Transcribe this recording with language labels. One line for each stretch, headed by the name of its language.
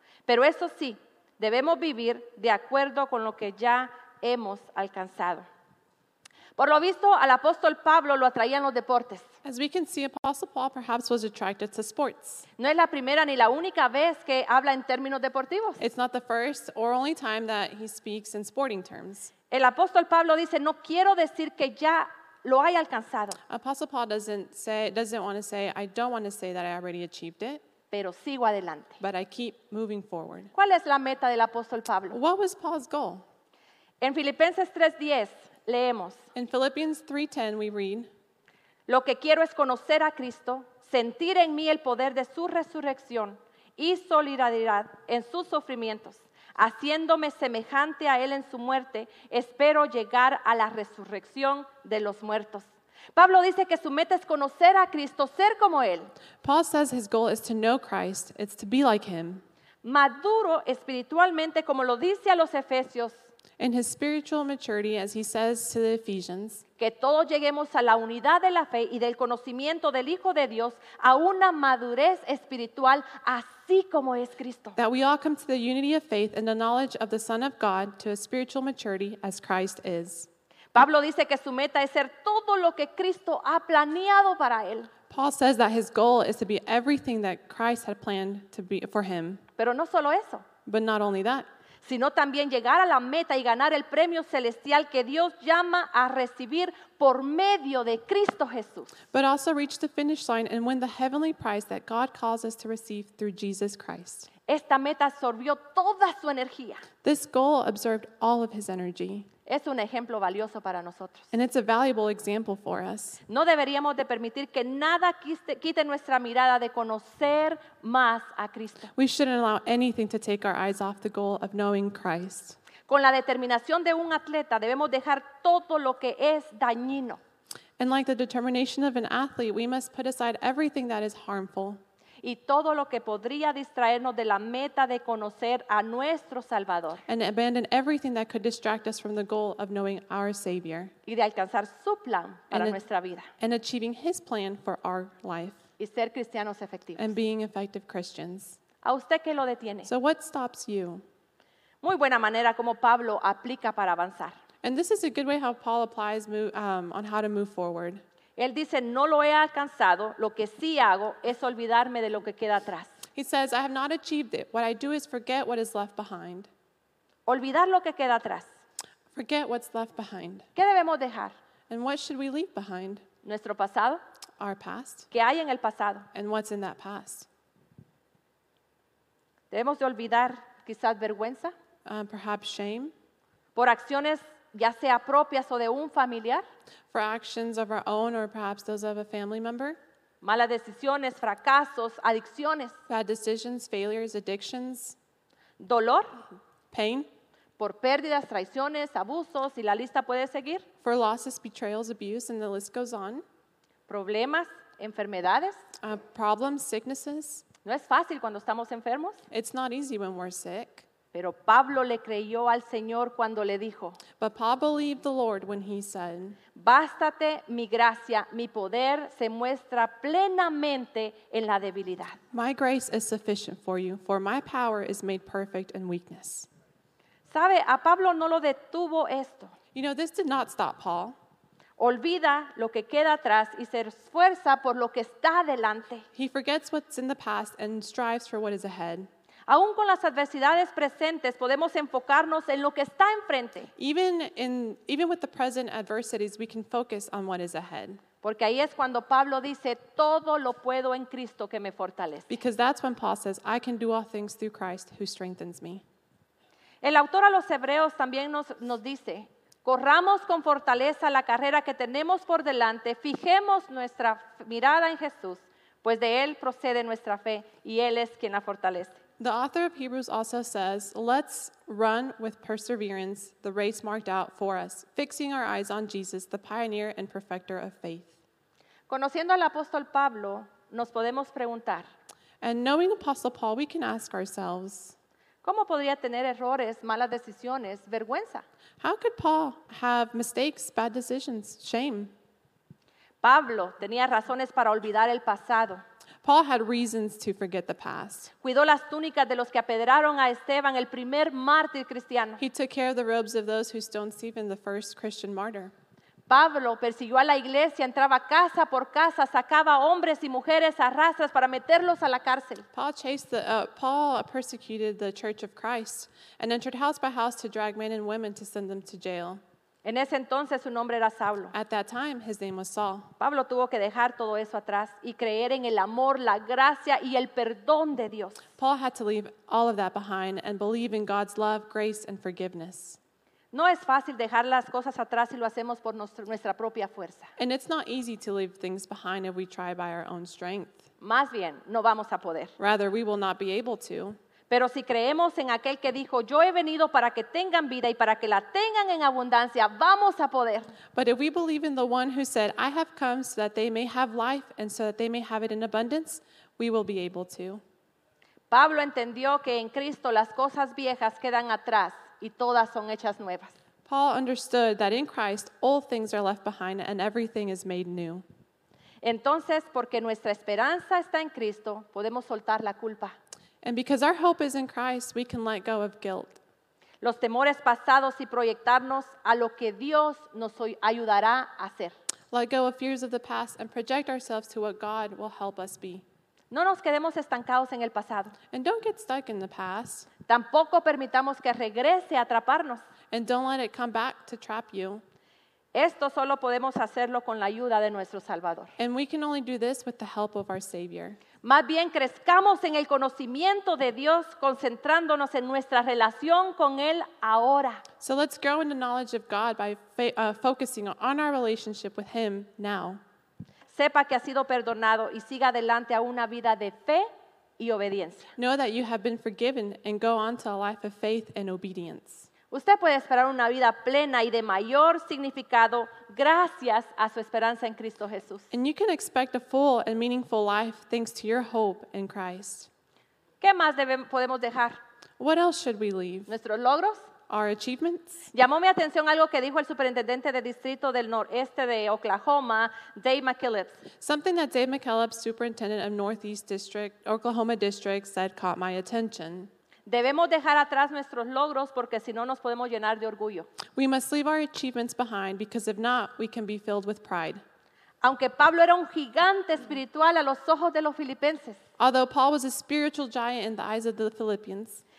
Spanish: Pero eso sí, debemos vivir de acuerdo con lo que ya hemos alcanzado. Por lo visto, al apóstol Pablo lo atraían los deportes.
English: As we can see, Apostle Paul perhaps was attracted to sports.
Spanish: No es la primera ni la única vez que habla en términos deportivos.
English: It's not the first or only time that he speaks in sporting terms.
Spanish: El apóstol Pablo dice, no quiero decir que ya lo haya alcanzado.
English: Apostle Paul doesn't want to say, I don't want to say that I already achieved it.
Spanish: Pero sigo adelante.
English: But I keep moving forward.
Spanish: ¿Cuál es la meta del apóstol Pablo?
English: What was Paul's goal?
Spanish: En Filipenses 3:10 leemos.
English: In Philippians 3:10 we read.
Spanish: Lo que quiero es conocer a Cristo, sentir en mí el poder de su resurrección y solidaridad en sus sufrimientos, haciéndome semejante a él en su muerte, espero llegar a la resurrección de los muertos. Pablo dice que su meta es conocer a Cristo, ser como él.
English: Paul says his goal is to know Christ, it's to be like him.
Spanish: maduro espiritualmente, como lo dice a los Efesios.
English: In his spiritual maturity, as he says to the Ephesians.
Spanish: Que todos lleguemos a la unidad de la fe y del conocimiento del Hijo de Dios, a una madurez espiritual, así como es Cristo.
English: That we all come to the unity of faith and the knowledge of the Son of God to a spiritual maturity as Christ is.
Spanish: Pablo dice que su meta es ser todo lo que Cristo ha planeado para él.
English: Paul says that his goal is to be everything that Christ had planned to be for him.
Spanish: Pero no solo eso.
English: But not only that.
Spanish: Sino también llegar a la meta y ganar el premio celestial que Dios llama a recibir por medio de Cristo Jesús.
English: But also reach the finish line and win the heavenly prize that God calls us to receive through Jesus Christ.
Spanish: Esta meta absorbió toda su energía.
English: This goal absorbed all of his energy.
Spanish: Es un ejemplo valioso para nosotros.
English: And it's a valuable example for us.
Spanish: No deberíamos de permitir que nada quite nuestra mirada de conocer más a Cristo.
English: We shouldn't allow anything to take our eyes off the goal of knowing Christ.
Spanish: Con la determinación de un atleta, debemos dejar todo lo que es dañino.
English: And like the determination of an athlete, we must put aside everything that is harmful.
Spanish: Y todo lo que podría distraernos de la meta de conocer a nuestro Salvador.
English: And abandon everything that could distract us from the goal of knowing our Savior.
Spanish: Y de alcanzar su plan para nuestra vida.
English: And achieving his plan for our life.
Spanish: Y ser cristianos efectivos.
English: And being effective Christians.
Spanish: ¿A usted qué lo detiene?
English: So what stops you?
Spanish: Muy buena manera como Pablo aplica para avanzar.
English: And this is a good way how Paul applies on how to move forward.
Spanish: Él dice, no lo he alcanzado, lo que sí hago es olvidarme de lo que queda atrás.
English: He says, I have not achieved it. What I do is forget what is left behind.
Spanish: Olvidar lo que queda atrás.
English: Forget what's left behind.
Spanish: ¿Qué debemos dejar?
English: And what should we leave behind?
Spanish: Nuestro pasado.
English: Our past.
Spanish: ¿Qué hay en el pasado?
English: And what's in that past.
Spanish: Debemos de olvidar quizás vergüenza.
English: Perhaps shame.
Spanish: Por acciones ya sea propias o de un familiar.
English: For actions of our own or perhaps those of a family member.
Spanish: Malas decisiones, fracasos, adicciones.
English: Bad decisions, failures, addictions.
Spanish: Dolor.
English: Pain.
Spanish: Por pérdidas, traiciones, abusos, y la lista puede seguir.
English: For losses, betrayals, abuse, and the list goes on.
Spanish: Problemas, enfermedades.
English: Problems, sicknesses.
Spanish: No es fácil cuando estamos enfermos.
English: It's not easy when we're sick.
Spanish: Pero Pablo le creyó al Señor cuando le dijo.
English: But Paul believed the Lord when he said.
Spanish: Bástate mi gracia, mi poder se muestra plenamente en la debilidad.
English: My grace is sufficient for you, for my power is made perfect in weakness.
Spanish: ¿Sabe? A Pablo no lo detuvo esto.
English: You know, this did not stop Paul.
Spanish: Olvida lo que queda atrás y se esfuerza por lo que está delante.
English: He forgets what's in the past and strives for what is ahead.
Spanish: Aún con las adversidades presentes, podemos enfocarnos en lo que está enfrente.
English: Even with the present adversities, we can focus on what is ahead.
Spanish: Porque ahí es cuando Pablo dice, todo lo puedo en Cristo que me fortalece.
English: Because that's when Paul says, I can do all things through Christ who strengthens me.
Spanish: El autor a los Hebreos también nos dice, corramos con fortaleza la carrera que tenemos por delante, fijemos nuestra mirada en Jesús, pues de Él procede nuestra fe y Él es quien la fortalece.
English: The author of Hebrews also says, let's run with perseverance the race marked out for us, fixing our eyes on Jesus, the pioneer and perfecter of faith.
Spanish: Conociendo al apóstol Pablo, nos podemos preguntar.
English: And knowing Apostle Paul, we can ask ourselves.
Spanish: ¿Cómo podría tener errores, malas decisiones, vergüenza?
English: How could Paul have mistakes, bad decisions, shame?
Spanish: Pablo tenía razones para olvidar el pasado.
English: Paul had reasons to forget the past.
Spanish: Cuidó las túnicas de los que apedrearon a Esteban, el primer mártir cristiano.
English: He took care of the robes of those who stoned Stephen, the first Christian martyr.
Spanish: Pablo persiguió a la iglesia, entraba casa por casa, sacaba hombres y mujeres a rastras para meterlos a la cárcel.
English: Paul persecuted the Church of Christ and entered house by house to drag men and women to send them to jail.
Spanish: En ese entonces su nombre era Saulo.
English: At that time, his name was Saul.
Spanish: Pablo tuvo que dejar todo eso atrás y creer en el amor, la gracia y el perdón de Dios.
English: Paul had to leave all of that behind and believe in God's love, grace, and forgiveness.
Spanish: No es fácil dejar las cosas atrás si lo hacemos por nuestra propia fuerza.
English: And it's not easy to leave things behind if we try by our own strength.
Spanish: Más bien, no vamos a poder.
English: Rather, we will not be able to.
Spanish: Pero si creemos en aquel que dijo, yo he venido para que tengan vida y para que la tengan en abundancia, vamos a poder.
English: But if we believe in the one who said, I have come so that they may have life and so that they may have it in abundance, we will be able to.
Spanish: Pablo entendió que en Cristo las cosas viejas quedan atrás y todas son hechas nuevas.
English: Paul understood that in Christ all things are left behind and everything is made new.
Spanish: Entonces, porque nuestra esperanza está en Cristo, podemos soltar la culpa.
English: And because our hope is in Christ, we can let go of guilt.
Spanish: Los temores pasados y proyectarnos a lo que Dios nos ayudará a hacer.
English: Let go of fears of the past and project ourselves to what God will help us be.
Spanish: No nos quedemos estancados en el pasado.
English: And don't get stuck in the past.
Spanish: Tampoco permitamos que regrese a atraparnos.
English: And don't let it come back to trap you.
Spanish: Esto solo podemos hacerlo con la ayuda de nuestro Salvador.
English: And we can only do this with the help of our Savior.
Spanish: Más bien, crezcamos en el conocimiento de Dios, concentrándonos en nuestra relación con Él ahora.
English: So let's grow in the knowledge of God by focusing on our relationship with Him now.
Spanish: Sepa que ha sido perdonado y siga adelante a una vida de fe y obediencia.
English: Know that you have been forgiven and go on to a life of faith and obedience.
Spanish: Usted puede esperar una vida plena y de mayor significado gracias a su esperanza en Cristo Jesús.
English: And you can expect a full and meaningful life thanks to your hope in Christ.
Spanish: ¿Qué más podemos dejar?
English: What else should we leave?
Spanish: ¿Nuestros logros?
English: Our achievements?
Spanish: Llamó mi atención algo que dijo el superintendente de distrito del noreste de Oklahoma, Dave McKillips.
English: Something that Dave McKillips, superintendent of Northeast District, Oklahoma District, said caught my attention.
Spanish: Debemos dejar atrás nuestros logros porque si no nos podemos llenar de orgullo.
English: We must leave our achievements behind because if not, we can be filled with pride.
Spanish: Aunque Pablo era un gigante espiritual a los ojos de los filipenses.
English: Although Paul was a spiritual giant in the eyes of the Philippians.